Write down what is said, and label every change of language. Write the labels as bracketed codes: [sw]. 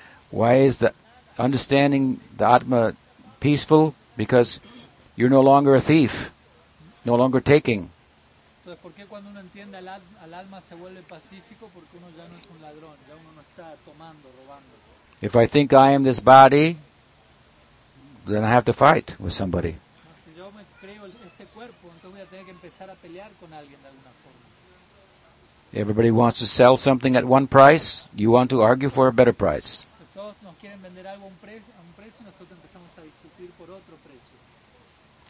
[en] Why is the understanding the Atma peaceful? Because you're no longer a thief, no longer taking. [es] ¿Por qué cuando uno entiende al alma se vuelve pacífico? Porque uno ya no es un ladrón, ya uno no está tomando, robando. [en] If I think I am this body, then I have to fight with somebody. [es] Si yo me creo este cuerpo, entonces voy a tener que empezar a pelear con alguien de alguna forma. [en] Everybody wants to sell something at one price, you want to argue for a better price. [es] Todos nos quieren vender algo a un precio y nosotros empezamos a discutir por otro precio.